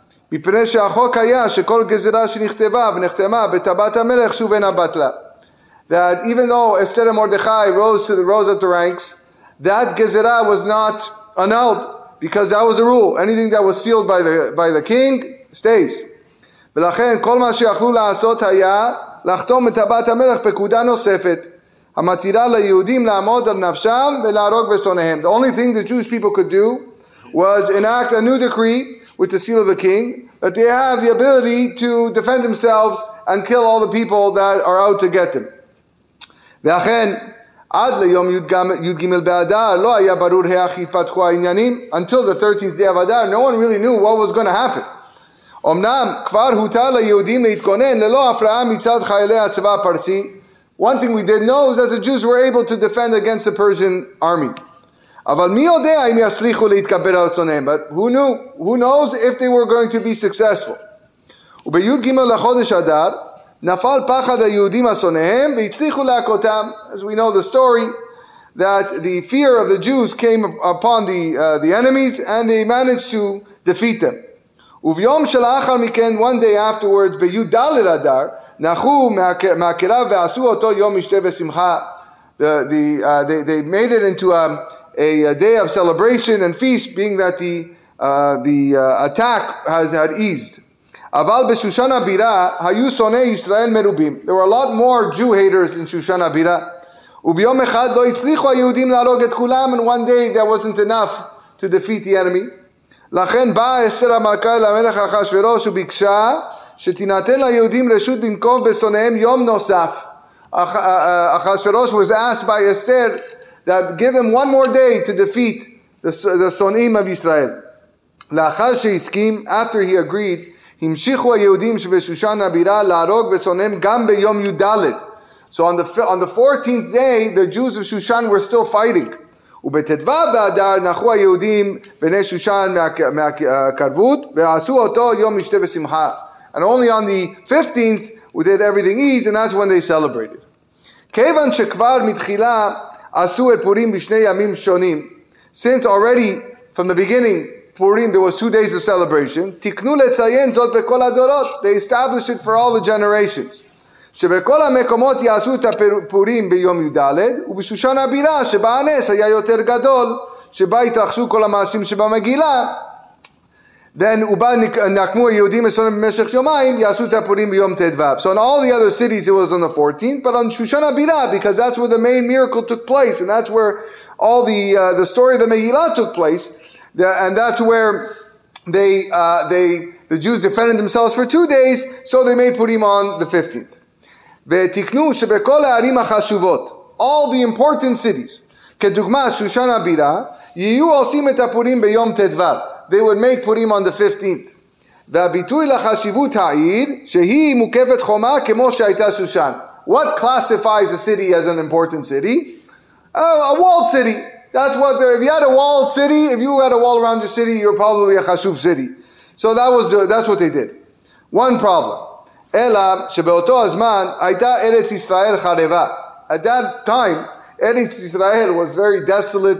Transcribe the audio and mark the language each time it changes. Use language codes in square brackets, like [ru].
[en] That even though Esther and Mordechai rose up the ranks, that Gezerah was not annulled because that was a rule. Anything that was sealed by the king stays. [he] ולכן כל מה שיכלו לעשות היה לחתום את טבעת המלך פקודה נוספת המתירה ליהודים לעמוד על נפשם ולהרוג בשונאיהם. [en] The only thing the Jewish people could do was enact a new decree with the seal of the king that they have the ability to defend themselves and kill all the people that are out to get them. [he] ולכן עד ליום י"ג באדר לא היה ברור איך יתפתחו העניינים. [en] Until the 13th day of Adar, no one really knew what was going to happen. [he] אמנם כבר הותר ליהודים להתכונן ללא הפרעה מצד חיילי הצבא הפרסי. [en] One thing we did know is that the Jews were able to defend against the Persian army. [he] אבל מי יודע אם יצליחו להתקבל על רצונם? [en] But who knows if they were going to be successful? [he] וביוד ג' לחודש אדר נפל פחד היהודים השונאים והצליחו להכותם. [en] As we know the story, that the fear of the Jews came upon the enemies and they managed to defeat them. [he] וביום של אחר מכן, [en] one day afterwards, [he] בי"ד אדר, נחו מהקרב ועשו אותו יום משתה ושמחה. [en] They made it into a day of celebration and feast, being that the attack had eased. [he] אבל בשושן הבירה, היו שונאי ישראל מרובים. [en] There were a lot more Jew haters in שושן הבירה. [he] וביום אחד לא הצליחו היהודים להרוג את כולם, [en] and one day there wasn't enough to defeat the enemy. [he] לכן באה אסתר המלכה למלך אחשוורוש וביקשה שתינתן ליהודים רשות לנקום בשונאיהם יום נוסף. [en] אחשוורוש was asked by Esther that give them one more day to defeat the שונאים of Israel. [he] לאחר שהסכים, [en] after he agreed, [he] המשיכו היהודים שבשושן הבירה להרוג בשונאיהם גם ביום י"ד. [en] So on the 14th day, the Jews of Shushan were still fighting. [he] ובתדבע באדר נחו היהודים בני שושן מהקרבות ועשו אותו יום משתה ושמחה. [en] And only on the 15th we did everything ease, and that's when they celebrated. [he] כיוון שכבר מתחילה עשו את פורים בשני ימים שונים, [en] since already from the beginning פורים there was two days of celebration, [he] תקנו לציין זאת בכל הדורות. [en] They established it for all the generations. [he] שבכל המקומות יעשו את הפורים ביום י"ד, ובשושן הבירה שבה הנס היה יותר גדול, שבה התרחשו כל המעשים שבמגילה, ובה נקמו היהודים במשך יומיים, יעשו את הפורים ביום ט"ו. [en] So in all the other cities it was on the 14th, but on שושן הבירה, because that's where the main miracle took place, and that's where all the story of the Megillah took place, and that's where the Jews defended themselves for two days, so they made Purim on the 15th. [he] ותקנו שבכל הערים החשובות, [en] all the important cities, [he] כדוגמת שושן הבירה, יהיו עושים את הפורים ביום ט"ו. [en] They would make Purim on the 15th. [he] והביטוי לחשיבות העיר, שהיא מוקפת חומה כמו שהייתה שושן. [en] What classifies a city as an important city? a walled city. That's what they're, if you had a walled city, if you had a wall around your city, you're probably a chasuv city. So that was the, that's what they did. One problem. [he] Ela shebeoto azman hayta eretz Yisrael chareva. [en] At that time, Eretz Yisrael was very desolate.